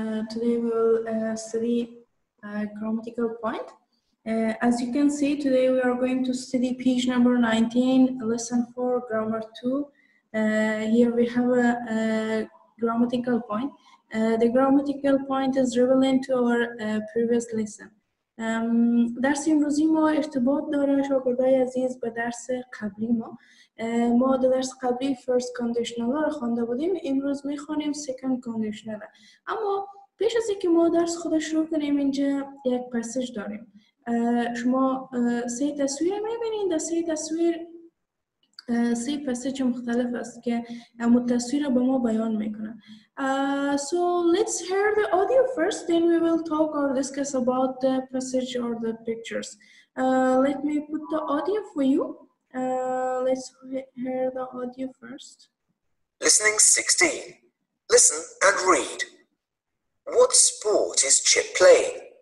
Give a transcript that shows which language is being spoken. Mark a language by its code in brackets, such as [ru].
[en] Today we will study grammatical point. As you can see, today we are going to study page number 19, lesson 4, grammar 2. Here we have a grammatical point. The grammatical point is relevant to our previous lesson. [fa] درس امروزی ما ارتباط داره شاگردای عزیز به درس قبلی ما. ما در درس قبلی فرست کاندیشنال رو خوانده بودیم، امروز میخوانیم سیکند کاندیشنال. اما پیش از اینکه ما درس خود شروع کنیم، اینجا یک پسیج داریم. شما سه تصویر میبینید، در سه تصویر سه پسیج مختلف است که اون تصویر رو به ما بیان میکنه. [en] So let's hear the audio first, then we will talk or discuss about the passage or the pictures. Let me put the audio for you. Let's hear the audio first. Listening 16. Listen and read. What sport is Chip playing?